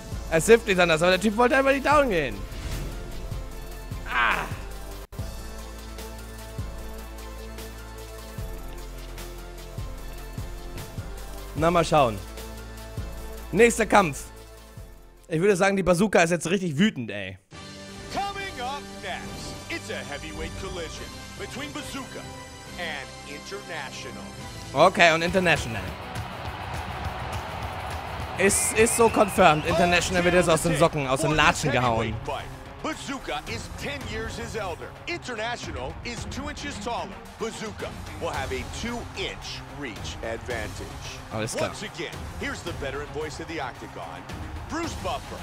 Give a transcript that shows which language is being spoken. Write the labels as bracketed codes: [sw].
[de] Es hilft nicht anders, aber der Typ wollte einfach nicht down gehen. Ah! Na, mal schauen. Nächster Kampf. Ich würde sagen, die Bazooka ist jetzt richtig wütend, ey. [en] Coming up next, it's a heavyweight collision between Bazooka and International. [de] Okay, und International. Ist so [en] confirmed. [de] International wird jetzt aus den Socken, aus den Latschen gehauen. [en] Bazooka is 10 years his elder. International is 2 inches taller. Bazooka will have a 2-inch reach advantage. [de] Alles klar. [en] Once again, here's the veteran voice of the Octagon, Bruce Buffer.